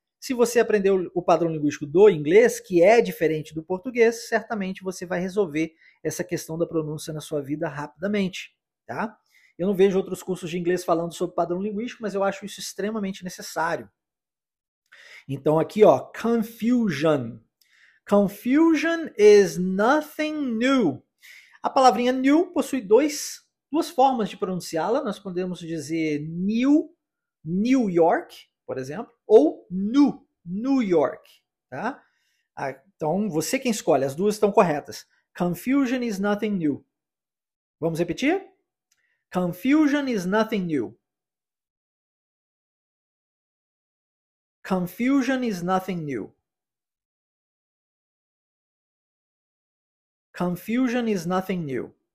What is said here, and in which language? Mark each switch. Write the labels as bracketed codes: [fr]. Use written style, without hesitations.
[pt] Se você aprender o padrão linguístico do inglês, que é diferente do português, certamente você vai resolver essa questão da pronúncia na sua vida rapidamente. Tá? Eu não vejo outros cursos de inglês falando sobre padrão linguístico, mas eu acho isso extremamente necessário. Então aqui, ó, confusion. [en] Confusion is nothing new. [pt] A palavrinha new possui duas formas de pronunciá-la. Nós podemos dizer New York, por exemplo, ou New York. Tá? Então, você quem escolhe, as duas estão corretas. [en] Confusion is nothing new. [pt] Vamos repetir? [en] Confusion is nothing new. Confusion is nothing new. Confusion is nothing new.